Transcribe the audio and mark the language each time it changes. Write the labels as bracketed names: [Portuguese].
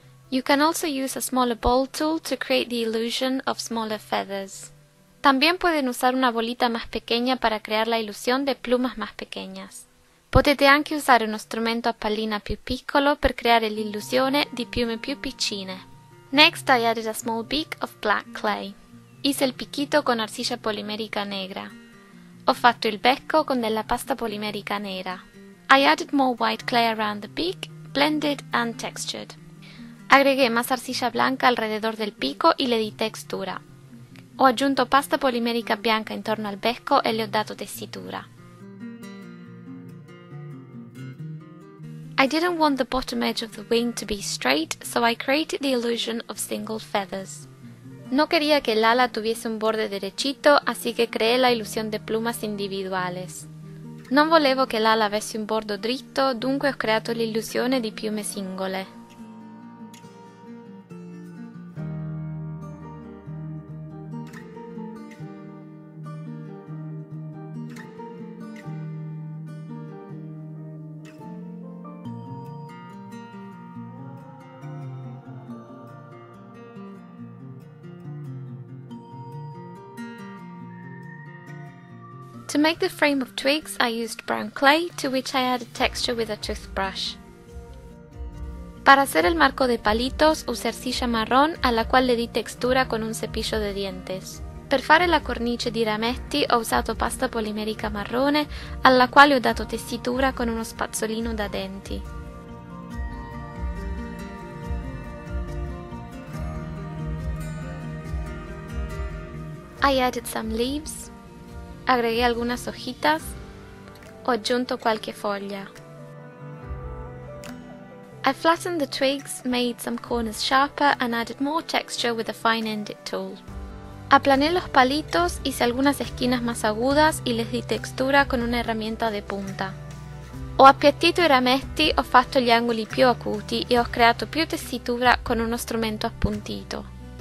[English] You can also use a smaller ball tool to create the illusion of smaller feathers. [Spanish] También pueden usar una bolita más pequeña para crear la ilusión de plumas más pequeñas. [Italian] Potete anche usare uno strumento a pallina più piccolo per creare l'illusione di piume più piccine. [English] Next, I added a small beak of black clay. [Spanish] Hice il picchito con arcilla polimerica negra. [Italian] Ho fatto il becco con della pasta polimerica nera. [English] I added more white clay around the beak, blended and textured. [Spanish] Agregué más arcilla blanca alrededor del pico y le di textura. [Italian] Ho aggiunto pasta polimerica bianca intorno al becco e le ho dato tessitura. [English] I didn't want the bottom edge of the wing to be straight, so I created the illusion of single feathers. [Spanish] No quería que el ala tuviese un borde derechito, así que creé la ilusión de plumas individuales. [Italian] Non volevo che l'ala avesse un bordo dritto, dunque ho creato l'illusione di piume singole. [English] To make the frame of twigs, I used brown clay, to which I added texture with a toothbrush. [Spanish] Para hacer el marco de palitos, usé arcilla marrón a la cual le di textura con un cepillo de dientes. [Italian] Per fare la cornice di rametti ho usato pasta polimerica marrone alla quale ho dato tessitura con uno spazzolino da denti. [English] I added some leaves. [Spanish] Agreghi algunas hojitas. [Italian] Ho aggiunto qualche foglia. [English] I flattened the twigs, made some corners sharper and added more texture with a fine-ended tool. [Spanish] Aplané los palitos, hice algunas esquinas más agudas y les di textura con una herramienta de punta. [Italian] Ho appiattito i rametti, ho fatto gli angoli più acuti e ho creato più tessitura con uno strumento appuntito.